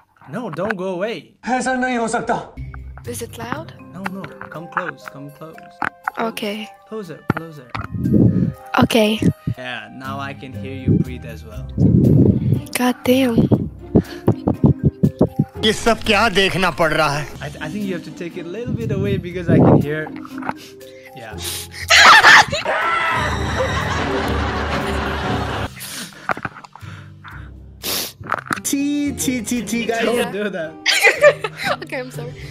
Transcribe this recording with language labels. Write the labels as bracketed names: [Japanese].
[English] No, don't go away. Is it loud? No. Come close. Okay. Closer. Okay. Yeah, now I can hear you breathe as well. God damn. [Hindi] ये सब क्या देखना पड़ रहा है? [English] I think you have to take it a little bit away because I can hear. Yeah. T guys. Don't do that. Okay, I'm sorry.